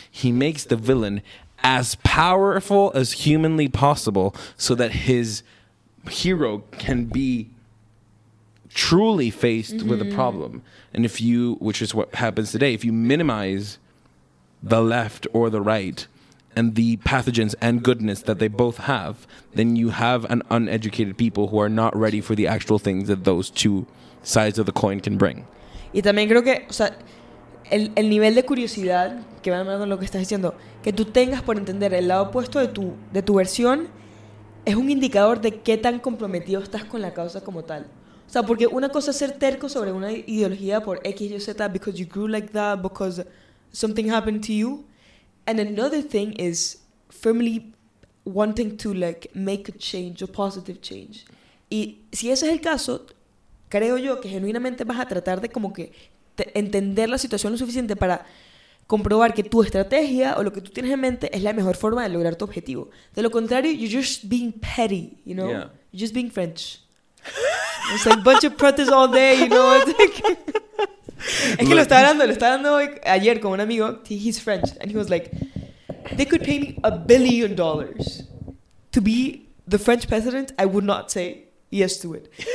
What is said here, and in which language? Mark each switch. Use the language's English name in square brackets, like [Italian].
[English] He makes the villain as powerful as humanly possible so that his hero can be truly faced with a problem. And if you, which is what happens today, if you minimize the left or the right, and the pathogens and goodness that they both have, then you have an uneducated people who are not ready for the actual things that those two sides of the coin can bring. [Spanish] Y también creo que, o sea, el nivel de curiosidad que va a mandar lo que estás diciendo, que tú tengas por entender el lado opuesto de tu versión, es un indicador de qué tan comprometido estás con la causa como tal. O sea, porque una cosa es ser terco sobre una ideología por X, Y, Z, [English] because you grew like that, because something happened to you. And another thing is firmly wanting to, like, make a change, a positive change. [Spanish] Y si ese es el caso, creo yo que genuinamente vas a tratar de como que entender la situación lo suficiente para comprobar que tu estrategia o lo que tú tienes en mente es la mejor forma de lograr tu objetivo. De lo contrario, [English] you're just being petty, you know? Yeah. You're just being French. It's like a bunch of protests all day, you know? It's like... [Spanish] Es que lo estaba hablando hoy, ayer con un amigo, [English] he's French, and he was like, they could pay me $1 billion to be the French president, I would not say yes to it.